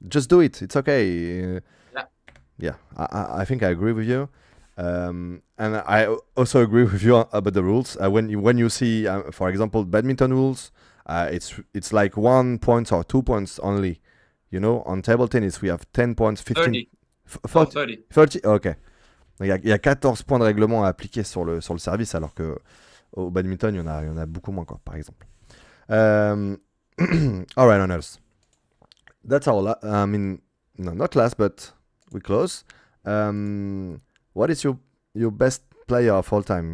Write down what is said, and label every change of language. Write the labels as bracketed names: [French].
[English] just do it. It's okay. Yeah, I think I agree with you. And I also agree with you about the rules. When you see, for example, badminton rules, it's like 1 point or 2 points only. You know, on table tennis, we have 10 points, 15, 30. No, 40, 30. 30. Okay. [French] Il y a 14 points de règlement à appliquer sur le service, alors que au badminton, il y en a beaucoup moins, quoi, par exemple. [English] all right, honors. That's all. I mean, no, not last, but we close. What is your best player of all time?